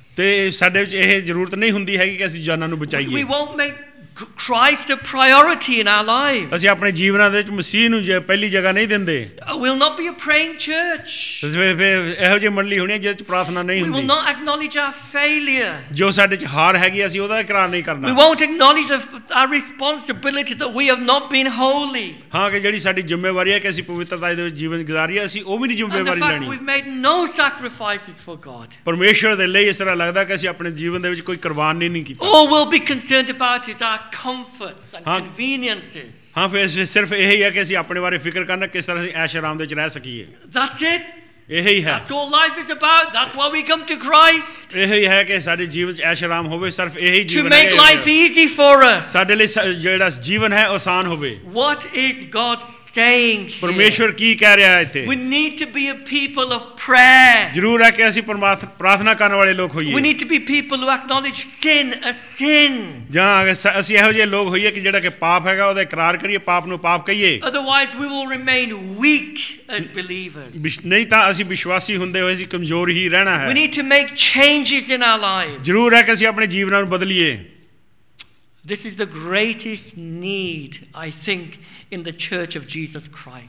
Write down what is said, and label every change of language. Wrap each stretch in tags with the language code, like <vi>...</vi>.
<pa>ਤੇ ਸਾਡੇ ਵਿੱਚ ਇਹ ਜ਼ਰੂਰਤ ਨਹੀਂ ਹੁੰਦੀ ਹੈਗੀ ਕਿ ਅਸੀਂ ਜਾਨਾਂ ਨੂੰ ਬਚਾਈਏ।</pa> <en>We won't make Christ a priority in our lives.</en> <pa>ਅਸੀਂ ਆਪਣੇ ਜੀਵਨਾਂ ਦੇ ਵਿੱਚ ਮਸੀਹ ਨੂੰ ਪਹਿਲੀ ਜਗ੍ਹਾ ਨਹੀਂ ਦਿੰਦੇ।</pa> <en>We will not be a praying church.</en> <pa>ਇਹੋ ਜਿਹੀ ਮੰਡਲੀ ਹੋਣੀ ਜਿਹਦੇ ਵਿੱਚ ਪ੍ਰਾਰਥਨਾ ਨਹੀਂ ਹੁੰਦੀ।</pa> <en>We will not acknowledge our failure.</en> <pa>ਜੋ ਸਾਡੇ ਚ ਹਾਰ ਹੈਗੀ ਅਸੀਂ ਉਹਦਾ ਇਕਰਾਰ ਨਹੀਂ ਕਰਨਾ।</pa> <en>We won't acknowledge our responsibility that we have not been holy.</en> <pa>ਹਾਂ ਕਿ ਜਿਹੜੀ ਸਾਡੀ ਜ਼ਿੰਮੇਵਾਰੀ ਹੈ ਕਿ ਅਸੀਂ ਪਵਿੱਤਰਤਾ ਦੇ ਜੀਵਨ ਗੁਜ਼ਾਰੀਏ, ਅਸੀਂ ਉਹ ਵੀ ਨਹੀਂ ਜ਼ਿੰਮੇਵਾਰੀ ਲੈਣੀ।</pa> <en>We have made no sacrifices for God.</en> <pa>ਪਰਮੇਸ਼ਰ ਦੇ ਲਈ ਇਸ ਤਰ੍ਹਾਂ ਲੱਗਦਾ ਕਿ ਅਸੀਂ ਆਪਣੇ ਜੀਵਨ ਦੇ ਵਿੱਚ ਕੋਈ ਕੁਰਬਾਨੀ ਨਹੀਂ ਕੀਤੀ।</pa> <en>Oh, we'll be concerned about his our comforts and ਹਾਂ conveniences.</en> <pa>ਹਾਂ ਫਿਰ ਸਿਰਫ ਇਹ ਹੀ ਹੈ ਕਿ ਅਸੀਂ ਆਪਣੇ ਬਾਰੇ ਫਿਕਰ ਕਰਨਾ ਕਿਸ ਤਰ੍ਹਾਂ ਅਸੀਂ ਐਸ਼ ਆਰਾਮ ਦੇ ਵਿੱਚ ਰਹਿ ਸਕੀਏ।</pa> <en>That's it.</en> <pa>ਇਹੀ ਹੈ।</pa> <en>That's all life is about. That's why we come to Christ.</en> <pa>ਇਹੀ ਹੈ ਕਿ ਸਾਡੇ ਜੀਵਨ ਚ ਐਸ਼ ਆਰਾਮ ਹੋਵੇ, ਸਿਰਫ ਇਹੀ ਜੀਵਨ ਹੈ।</pa> <en>To make life easy for us.</en> <pa>ਸਾਡੇ ਲਈ ਜਿਹੜਾ ਜੀਵਨ ਹੈ ਆਸਾਨ ਹੋਵੇ।</pa> <en>What is God saying?</en> <pa>ਪਰਮੇਸ਼ਵਰ ਕੀ ਕਹਿ ਰਿਹਾ ਹੈ ਇੱਥੇ?</pa> <en>We need to be a people of prayer.</en> <pa>ਜ਼ਰੂਰ ਹੈ ਕਿ ਅਸੀਂ ਪ੍ਰਾਰਥਨਾ ਕਰਨ ਵਾਲੇ ਲੋਕ ਹੋਈਏ।</pa> <en>We need to be people who acknowledge sin as sin.</en> <pa>ਜਾਂ ਅਸੀਂ ਇਹੋ ਜਿਹੇ ਲੋਕ ਹੋਈਏ ਕਿ ਜਿਹੜਾ ਕਿ ਪਾਪ ਹੈਗਾ ਉਹਦਾ ਇਕਰਾਰ ਕਰੀਏ, ਪਾਪ ਨੂੰ ਪਾਪ ਕਹੀਏ।</pa> <en>Otherwise we will remain weak as believers.</en> <pa>ਨਹੀਂ ਤਾਂ ਅਸੀਂ ਵਿਸ਼ਵਾਸੀ ਹੁੰਦੇ ਹੋਏ ਅਸੀਂ ਕਮਜ਼ੋਰ ਹੀ ਰਹਿਣਾ ਹੈ।</pa> <en>We need to make changes in our lives.</en> <pa>ਜ਼ਰੂਰ ਹੈ ਕਿ ਅਸੀਂ ਆਪਣੇ ਜੀਵਨਾਂ ਨੂੰ ਬਦਲੀਏ।</pa> <en>This is the greatest need I think in the church of Jesus Christ.</en>